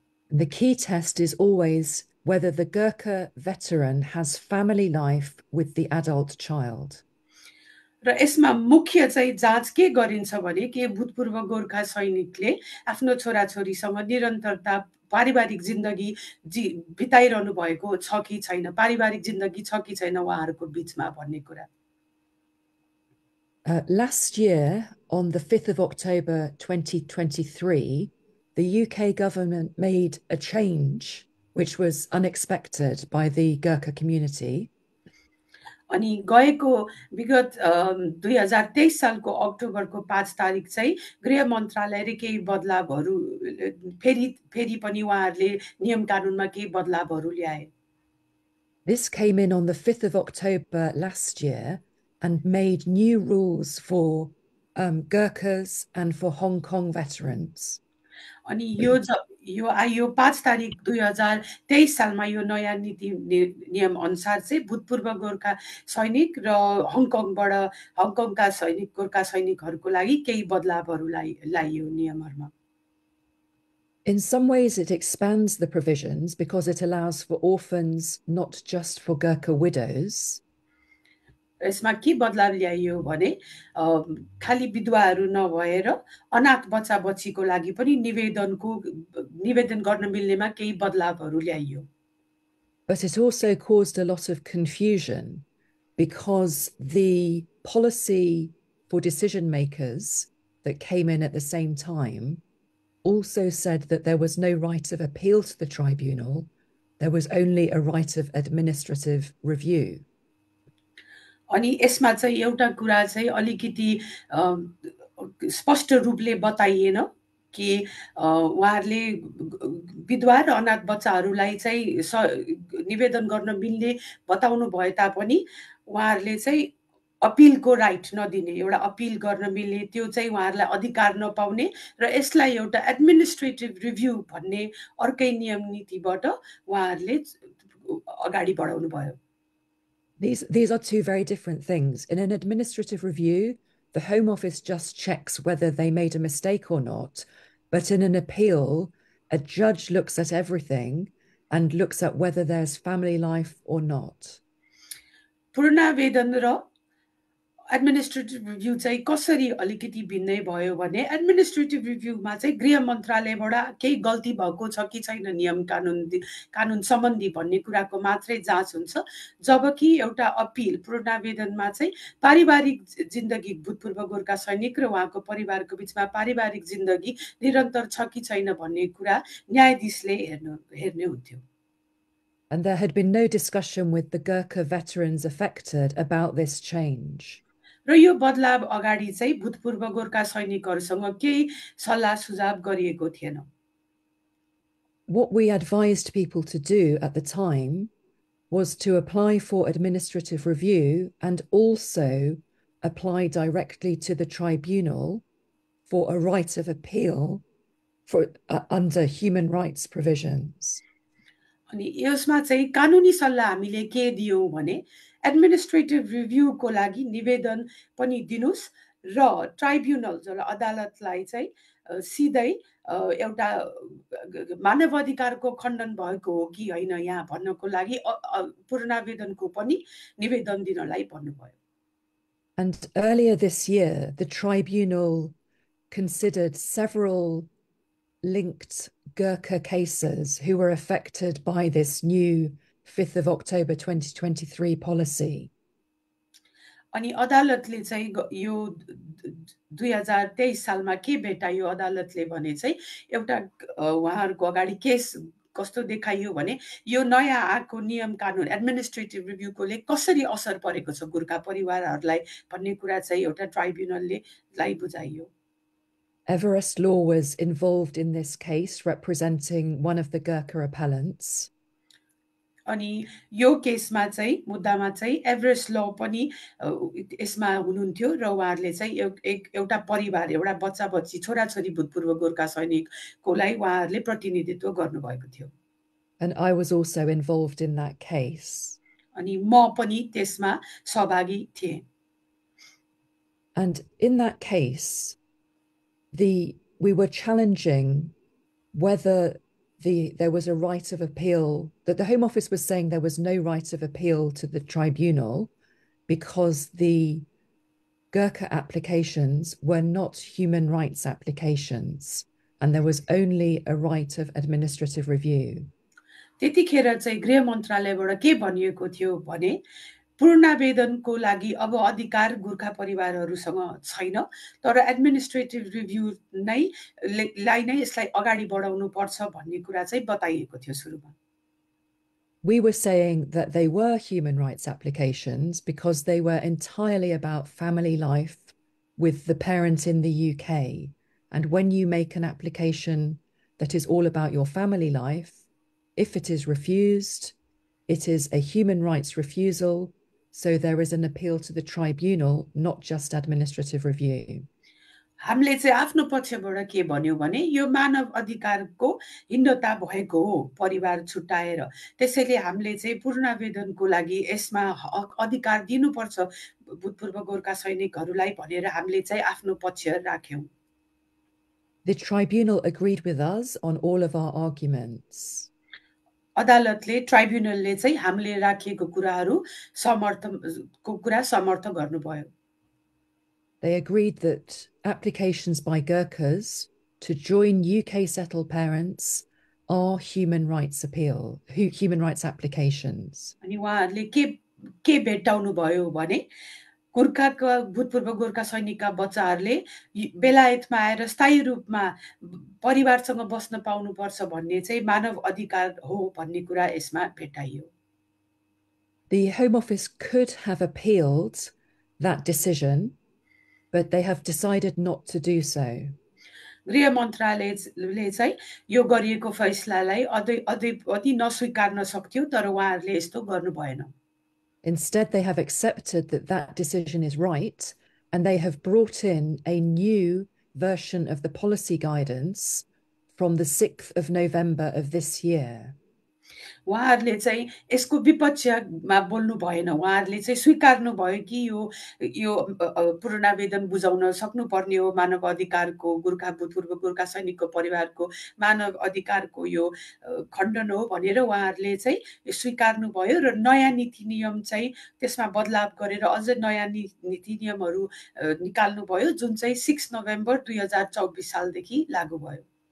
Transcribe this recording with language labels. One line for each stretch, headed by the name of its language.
English: The key test is always whether the Gurkha veteran has family life with the adult child.
Nepali: र यसमा मुख्य चाहिँ जाँच के गरिन्छ भने के भूतपूर्व गोर्खा सैनिकले आफ्नो छोराछोरीसँग निरन्तरता पारिवारिक जिन्दगी बिताइरहनु भएको छ कि छैन, पारिवारिक जिन्दगी छ कि छैन उहाँहरूको बिचमा भन्ने कुरा।
English: Last year, on the 5th of October 2023, the UK government made a change which was unexpected by the Gurkha community.
Nepali: अनि गएको विगत 2023 सालको अक्टोबरको 5 तारिक चाहिँ गृह मन्त्रालयले केही बदलावहरू फेरि पनि उहाँहरूले नियम कानुनमा केही बदलावहरू ल्याए।
English: This came in on the 5th of October last year and made new rules for Gurkhas and for Hong Kong veterans.
Nepali: अनि यो यो आयो 5 तारिक 2023 सालमा यो नयाँ नीति नियम अनुसार चाहिँ भूतपूर्व गोर्खा सैनिक र हङकङबाट हङकङका सैनिक गोर्खा सैनिकहरूको लागि केही बदलावहरू ल्याइयो नियमहरूमा।
English: In some ways, it expands the provisions because it allows for orphans, not just for Gurkha widows.
Nepali: यसमा के बदलाव ल्याइयो भने खालि विधवाहरू नभएर अनाथ बच्चा बच्चीको लागि पनि निवेदन गर्न मिल्नेमा केही बदलावहरू ल्याइयो।
English: But it also caused a lot of confusion because the policy for decision makers that came in at the same time also said that there was no right of appeal to the tribunal, there was only a right of administrative review.
Nepali: अनि यसमा चाहिँ एउटा कुरा चाहिँ अलिकति स्पष्ट रूपले बताइएन कि उहाँहरूले विधवा र अनाथ बच्चाहरूलाई चाहिँ निवेदन गर्न मिल्ने बताउनु भए तापनि उहाँहरूले चाहिँ अपिलको राइट नदिने, एउटा अपिल गर्न मिल्ने त्यो चाहिँ उहाँहरूलाई अधिकार नपाउने र यसलाई एउटा एडमिनिस्ट्रेटिभ रिभ्यू भन्ने अर्कै नियम नीतिबाट उहाँहरूले अगाडि बढाउनु भयो।
English: These are two very different things. In an administrative review, the Home Office just checks whether they made a mistake or not. But in an appeal, a judge looks at everything and looks at whether there's family life or not.
Nepali: पुनरावेदन र administrative review चाहिँ कसरी अलिकति भिन्नै भयो भने, administrative रिभ्यूमा चाहिँ गृह मन्त्रालयबाट केही गल्ती भएको छ कि छैन नियम कानुन सम्बन्धी भन्ने कुराको मात्रै जाँच हुन्छ, जबकि एउटा अपिल पूर्णावेदनमा चाहिँ पारिवारिक जिन्दगी भूतपूर्व गोर्खा सैनिक र उहाँको परिवारको बिचमा पारिवारिक जिन्दगी निरन्तर छ कि छैन भन्ने कुरा न्यायाधीशले हेर्ने हुन्थ्यो।
English: And there had been no discussion with the Gurkha veterans affected about this change.
Nepali: र यो बदलाव अगाडि चाहिँ भूतपूर्व गोर्खा सैनिकहरूसँग केही सल्लाह सुझाव गरिएको थिएन।
English: What we advised people to do at the time was to apply for administrative review and also apply directly to the tribunal for a right of appeal for under human rights provisions.
Nepali: अनि यसमा चाहिँ कानुनी सल्लाह हामीले के दियौँ भने, administrative रिभ्यूको लागि निवेदन पनि दिनुहोस् र ट्राइब्युनल जसलाई अदालतलाई चाहिँ सिधै एउटा मानव अधिकारको खण्डन भएको हो कि होइन यहाँ भन्नको लागि पूर्णावेदनको पनि निवेदन दिनलाई भन्नुभयो।
English: And earlier this year, the tribunal considered several linked Gurkha cases who were affected by this new 5th of October 2023 policy.
Nepali: अनि अदालतले चाहिँ यो 2023 सालमा के भेटायो अदालतले भने चाहिँ एउटा उहाँहरूको अगाडि केस कस्तो देखाइयो भने, यो नयाँ आएको नियम कानुन एडमिनिस्ट्रेटिभ रिभ्यूकोले कसरी असर परेको छ गुर्खा परिवारहरूलाई भन्ने कुरा चाहिँ एउटा ट्राइब्युनलले लाई बुझाइयो।
English: Everest Law was involved in this case, representing one of the Gurkha appellants.
Nepali: अनि यो केसमा चाहिँ मुद्दामा चाहिँ एभरेस्ट ल पनि यसमा हुनुहुन्थ्यो र उहाँहरूले चाहिँ एउटा परिवार एउटा बच्चा बच्ची छोराछोरी भूतपूर्व गोर्खा सैनिककोलाई उहाँहरूले प्रतिनिधित्व गर्नुभएको थियो।
English: And I was also involved in that case.
Nepali: अनि म पनि त्यसमा सहभागी थिएँ।
English: And in that case, we were challenging whether there was a right of appeal, that the Home Office was saying there was no right of appeal to the tribunal because the Gurkha applications were not human rights applications and there was only a right of administrative review.
Nepali: त्यतिखेर चाहिँ गृह मन्त्रालयबाट के भनिएको थियो भने, पूर्णावेदनको लागि अब अधिकार गोर्खा परिवारहरूसँग छैन, तर एडमिनिस्ट्रेटिभ रिभ्यू नै लाई नै यसलाई अगाडि बढाउनु पर्छ भन्ने कुरा चाहिँ बताइएको थियो सुरुमा।
English: We were saying that they were human rights applications because they were entirely about family life with the parent in the UK. And when you make an application that is all about your family life, if it is refused, it is a human rights refusal. So there is an appeal to the tribunal, not just administrative review.
Nepali: हामीले चाहिँ आफ्नो पक्षबाट के भन्यो भने, यो मानव अधिकारको हीनता भएको हो परिवार छुट्याएर, त्यसैले हामीले चाहिँ पूर्णावेदनको लागि यसमा हक अधिकार दिनुपर्छ भूतपूर्व गोर्खा सैनिकहरूलाई भनेर हामीले चाहिँ आफ्नो पक्ष राख्यौँ।
English: The tribunal agreed with us on all of our arguments.
Nepali: अदालतले ट्राइब्युनलले चाहिँ हामीले राखिएको कुराहरू समर्थनको कुरा समर्थन गर्नुभयो।
English: They agreed that applications by Gurkhas to join UK settled parents are human rights applications.
Nepali: अनि उहाँहरूले के भेट्टाउनु भयो भने, गोर्खाका भूतपूर्व गोर्खा सैनिकका बच्चाहरूले बेलायतमा आएर स्थायी रूपमा परिवारसँग बस्न पाउनुपर्छ भन्ने चाहिँ मानव अधिकार हो भन्ने कुरा यसमा भेट्टाइयो।
English: The Home Office could have appealed that decision. But they have decided not to do so.
Nepali: गृह मन्त्रालयले चाहिँ यो गरिएको फैसलालाई अति नस्वीकार्न सक्थ्यो, तर उहाँहरूले यस्तो गर्नु भएन।
English: Instead, they have accepted that that decision is right, and they have brought in a new version of the policy guidance from the 6th of November of this year.
Nepali: उहाँहरूले चाहिँ यसको विपक्षमा बोल्नु भएन, उहाँहरूले चाहिँ स्वीकार्नु भयो कि यो पुनरावेदन बुझाउन सक्नुपर्ने हो, मानव अधिकारको, गोर्खा भूतपूर्व गोर्खा सैनिकको परिवारको मानव अधिकारको यो खण्डन हो भनेर उहाँहरूले चाहिँ स्वीकार्नु भयो र नयाँ नीति नियम चाहिँ त्यसमा बदलाव गरेर अझ नयाँ नीति नियमहरू निकाल्नु भयो जुन चाहिँ 6 नोभेम्बर 2024 सालदेखि लागू भयो।